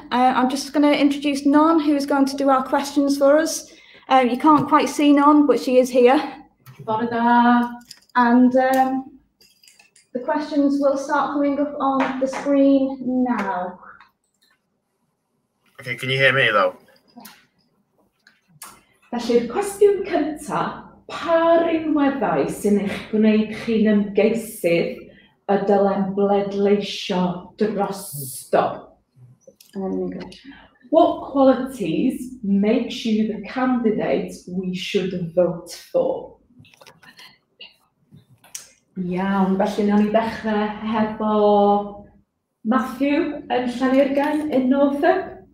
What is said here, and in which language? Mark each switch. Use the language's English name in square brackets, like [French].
[English] I'm just going to introduce Non, who is going to do our questions for us. You can't quite see Non, but she is here. And the questions will start coming up on the screen now. Okay, can you hear me though? [Welsh] Felly, cwestiwn cynta, pa rinweddau sy'n eich gwneud chi'n ymgeisydd y dylem bledleisio drosto? [English] What qualities makes you the candidate we should vote for? [Welsh] Iawn, felly nawn ni ddechrau hefo Matthew yn Llanurgan [English] in Northop.